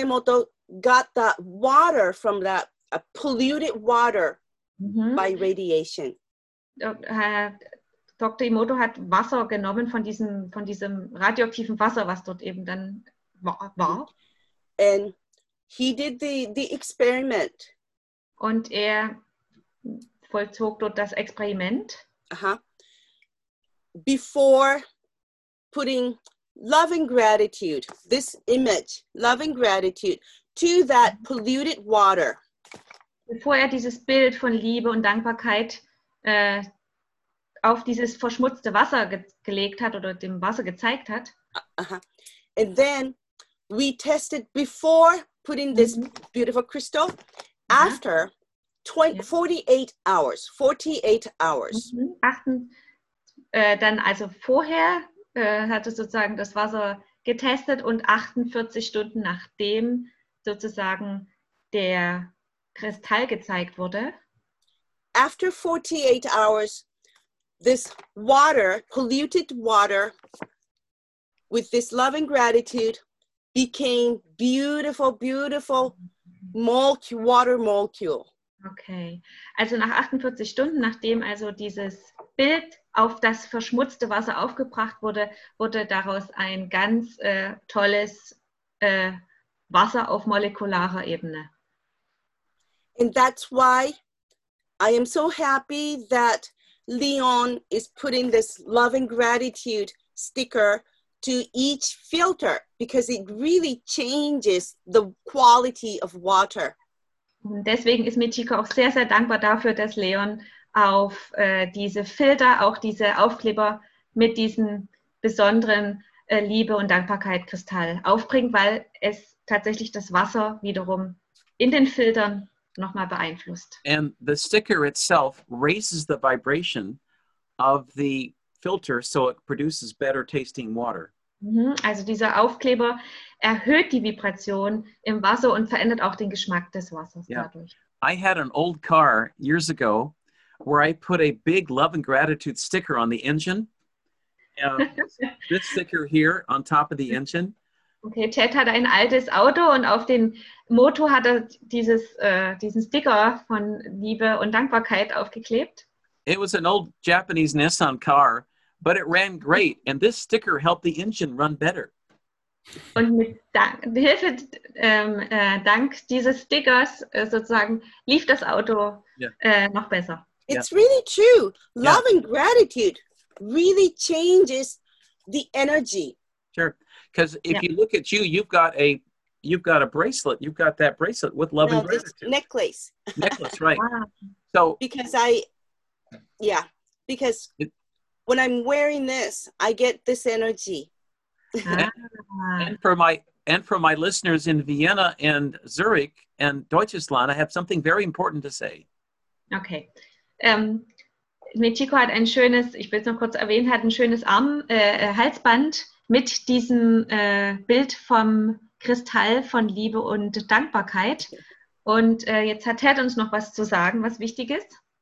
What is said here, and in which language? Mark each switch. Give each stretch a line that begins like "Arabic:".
English: Emoto got that water from that polluted water by radiation. Dr.
German: Emoto hat Wasser genommen von diesem radioaktiven Wasser, was dort eben dann war.
English: And he did the experiment.
German: Und er vollzog dort das Experiment. Aha.
English: Before putting love and gratitude, this image, love and gratitude, to that polluted water.
German: Bevor er dieses Bild von Liebe und Dankbarkeit auf dieses verschmutzte Wasser gelegt hat oder dem Wasser gezeigt hat. Uh-huh.
English: And then we tested before putting this beautiful crystal after 48 hours. Mm-hmm.
German: Dann also vorher hat er sozusagen das Wasser getestet und 48 Stunden nachdem sozusagen der Kristall gezeigt wurde.
English: After 48 hours, this water, polluted water, with this love and gratitude, became beautiful, beautiful water molecule.
German: Okay, also nach 48 Stunden, nachdem also dieses Bild auf das verschmutzte Wasser aufgebracht wurde, wurde daraus ein ganz tolles Wasser auf molekularer Ebene.
English: And that's why I am so happy that Leon is putting this love and gratitude sticker to each filter because it really changes the quality of water.
German: Deswegen ist Michiko auch sehr, sehr dankbar dafür, dass Leon auf diese Filter, auch diese Aufkleber mit diesem besonderen Liebe und Dankbarkeit Kristall aufbringt, weil es tatsächlich das Wasser wiederum in den Filtern nochmal beeinflusst.
English: And the sticker itself raises the vibration of the filter so it produces better tasting water.
German: Also dieser Aufkleber erhöht die Vibration im Wasser und verändert auch den Geschmack des Wassers dadurch.
English: I had an old car years ago where I put a big love and gratitude sticker on the engine. this sticker here on top of the engine.
German: Okay, Ted hat ein altes Auto und auf den Motor hat er diesen Sticker von Liebe und Dankbarkeit aufgeklebt.
English: It was an old Japanese Nissan car, but it ran great and this sticker helped the engine run better.
German: Und mit Hilfe dank dieses Stickers sozusagen lief das Auto noch besser.
English: It's really true. Love and gratitude really changes the energy. Sure. Because you look at you, you've got a bracelet. You've got that bracelet with love and gratitude. This necklace. Necklace, right. Wow. So Because when I'm wearing this, I get this energy. And for my listeners in Vienna and Zurich and Deutschland, I have something very important to say. Okay.
German: Michiko hat ein schönes, ich will es noch kurz erwähnen, hat ein schönes Halsband. Mit diesem Bild vom Kristall von Liebe und Dankbarkeit. Und jetzt hat Ted uns noch was zu sagen, was wichtig ist.